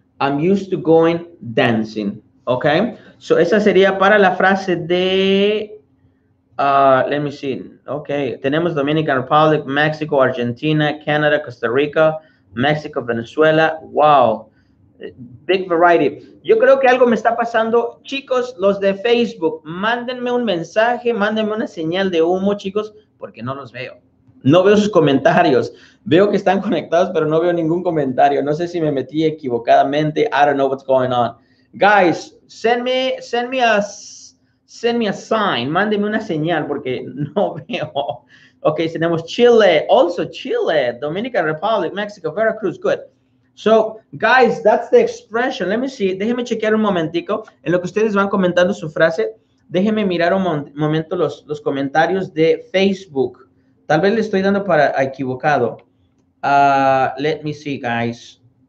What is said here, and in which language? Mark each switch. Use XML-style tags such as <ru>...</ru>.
<en>I'm used to going dancing. ¿Ok?</en> <es>So, esa sería para la frase de,</es> <en>let me see.</en> <es>Ok, tenemos Dominican Republic, Mexico, Argentina, Canadá, Costa Rica, México, Venezuela,</es> <en>wow, big variety.</en> <es>Yo creo que algo me está pasando, chicos, los de Facebook, mándenme un mensaje, mándenme una señal de humo, chicos, porque no los veo. No veo sus comentarios, veo que están conectados, pero no veo ningún comentario. No sé si me metí equivocadamente,</es> <en>I don't know what's going on. Guys, send me a sign,</en> <es>mándenme una señal, porque no veo. Ok, tenemos Chile, also Chile, Dominican Republic, Mexico, Veracruz, good.</es> <en>So, guys, that's the expression. Let me see,</en> <es>déjeme chequear un momentico. En lo que ustedes van comentando su frase, déjeme mirar un momento los comentarios de Facebook. Tal vez le estoy dando para equivocado.</es> <en>Let me see, guys.</en>